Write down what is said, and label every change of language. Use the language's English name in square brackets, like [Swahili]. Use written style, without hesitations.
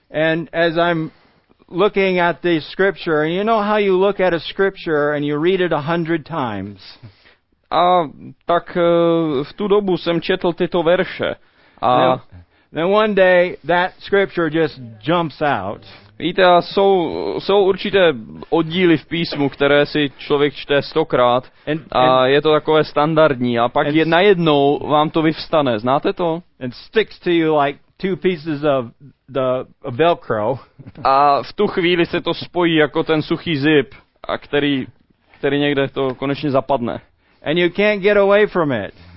[English] And as I'm looking at the scripture, and you know how you look at a scripture and you read it 100 times. [Czech] A tak v tu dobu jsem četl tyto verše. A [English] then one day that scripture just jumps out. [Czech] Víte, jsou určité oddíly v písmu, které si člověk čte 100krát a je to takové standardní a pak najednou vám to vyvstane. Znáte to? [English] And sticks to you like two pieces of the velcro. [Czech] A v tu chvíli se to spojí jako ten suchý zip, a který někde to konečně zapadne. [English] And you can't get away from it.